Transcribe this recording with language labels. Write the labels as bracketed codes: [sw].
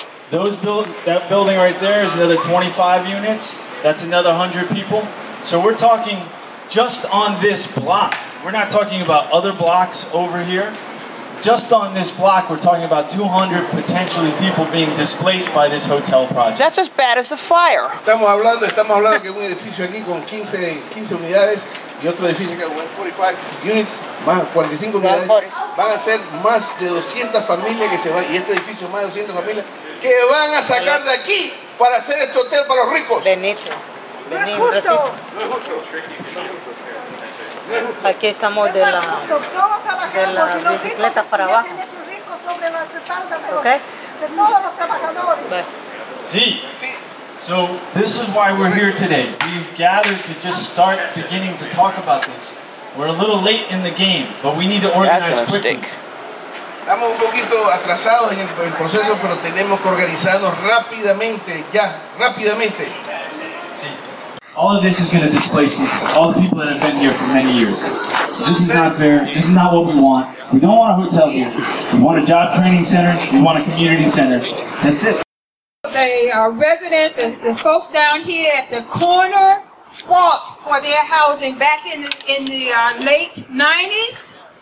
[en] That building right there is another 25 units. That's another 100 people. So we're talking just on this block. We're not talking about other blocks over here. Just on this block, we're talking about 200 potentially people being displaced by this hotel project. That's as bad as the fire. [es] Estamos hablando que un edificio aquí con 15 unidades y otro edificio que con 45 units, más 45 unidades, van a ser más de 200 familias que se van, y este edificio más de 200 familias que van a sacar de aquí para hacer este hotel para los ricos. Benito. Aquí estamos de la bicicleta para abajo. [en] Okay. Sí. So this is why we're here today. We've gathered to just start beginning to talk about this. We're a little late in the game, but we need to organize quickly. [es] Estamos un poquito atrasados en el proceso, pero tenemos que organizarnos rápidamente, ya, rápidamente. [en] All of this is going to displace these people, all the people that have been here for many years. This is not fair. This is not what we want. We don't want a hotel here. We want a job training center. We want a community center. That's it. The residents, the folks down here at the corner fought for their housing back in the late 90s.